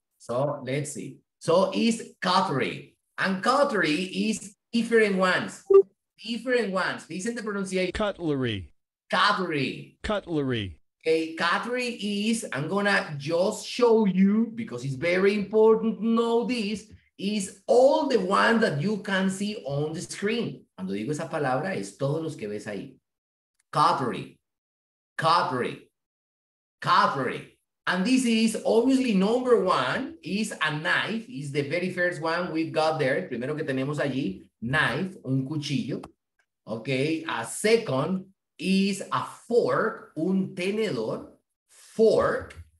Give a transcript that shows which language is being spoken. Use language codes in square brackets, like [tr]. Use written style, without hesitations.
[en] So let's see. So it's cutlery. And cutlery is different ones. Different ones. Listen to the pronunciation. Cutlery. Cutlery. Cutlery. Okay, cutlery is, I'm gonna just show you, because it's very important to know this, is all the ones that you can see on the screen. [es] Cuando digo esa palabra, es todos los que ves ahí. [en] Cutlery. Cutlery. Cutlery. And this is obviously number one is a knife, is the very first one we've got there. [es] Primero que tenemos allí, knife, un cuchillo. Okay, [en] a second is a fork, [es] un tenedor, fork.